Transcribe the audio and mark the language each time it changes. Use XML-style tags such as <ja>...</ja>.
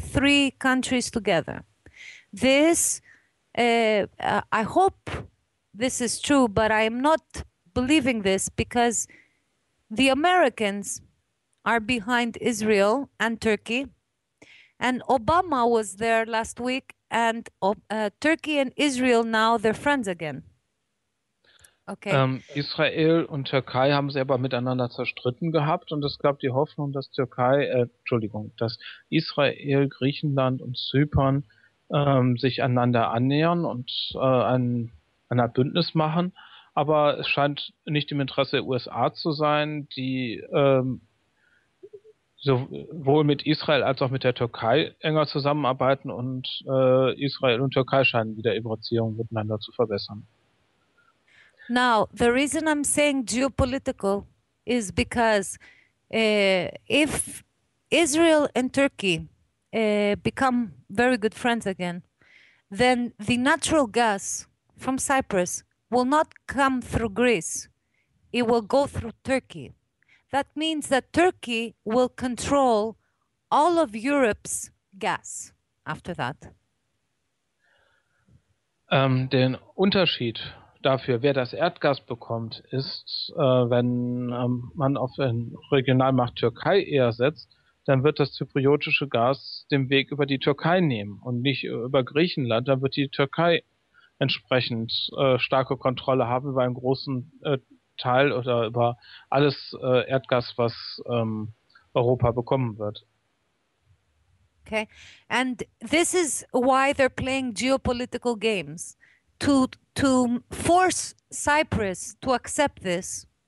<en>Three countries together. This, I hope this is true, but I'm not believing this because the Americans are behind Israel and Turkey. And Obama was there last week. And Turkey and Israel now, they're friends again. Okay.</en> <de>Israel und Türkei haben sich aber miteinander zerstritten gehabt und es gab die Hoffnung, dass dass Israel, Griechenland und Zypern sich einander annähern und ein Bündnis machen. Aber es scheint nicht im Interesse der USA zu sein, die sowohl mit Israel als auch mit der Türkei enger zusammenarbeiten und Israel und Türkei scheinen wieder ihre Beziehungen miteinander zu verbessern.</de> <en>Now, the reason I'm saying geopolitical is because if Israel and Turkey become very good friends again, then the natural gas from Cyprus will not come through Greece. It will go through Turkey. That means that Turkey will control all of Europe's gas after that.</en> <de>Den Unterschied dafür, wer das Erdgas bekommt, ist, wenn man auf eine Regionalmacht Türkei eher setzt, dann wird das zypriotische Gas den Weg über die Türkei nehmen und nicht über Griechenland. Dann wird die Türkei entsprechend starke Kontrolle haben über einen großen Teil oder über alles Erdgas, was Europa bekommen wird.</de> <en>Okay, and this is why they're playing geopolitical games, to force Cyprus to accept this.</en>